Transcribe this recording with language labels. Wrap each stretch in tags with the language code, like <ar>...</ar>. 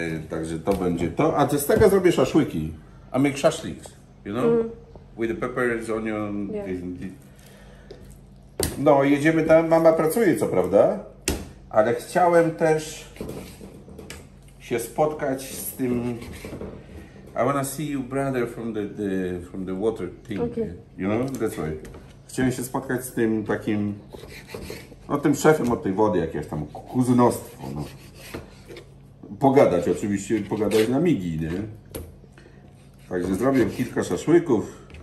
<pl>Także to będzie to. A ty z tego zrobię szaszłyki.</pl> <en>I make szaszliks, you know? With the peppers, onion. Yeah.</en> <pl>No, jedziemy tam. Mama pracuje, co prawda? Ale chciałem też się spotkać z tym.</pl> <en>I wanna see you brother from the water thing. Okay. You know? That's right.</en> <pl>Chciałem się spotkać z tym takim. No tym szefem od tej wody, jakieś tam kuzynostwo. No. Pogadać, oczywiście pogadać na migi, nie? Także zrobię kilka szaszłyków.</pl>